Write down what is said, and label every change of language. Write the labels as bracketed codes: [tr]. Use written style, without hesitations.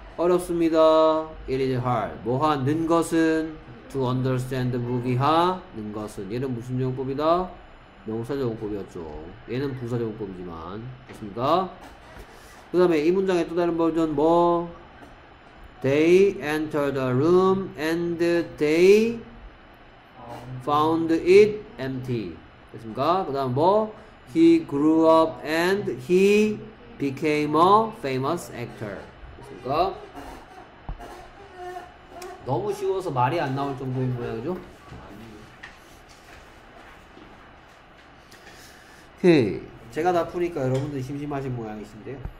[ko] 어렵습니다. [en] It is hard. [ko] 뭐 하는 것은? [en] To understand the movie [ko] 하는 것은? 얘는 무슨 용법이다? 명사적용법이었죠. 얘는 부사적용법이지만. 됐습니다. 그 다음에 이 문장의 또 다른 버전 뭐? [en] They entered a room and they found it empty. [ko] 됐습니까? 그 다음 뭐? [en] He grew up and he became a famous actor. [ko] 됐습니까? 너무 쉬워서 말이 안 나올 정도인 모양이죠? 오케이. 제가 다 푸니까 여러분들 심심하신 모양이신데요.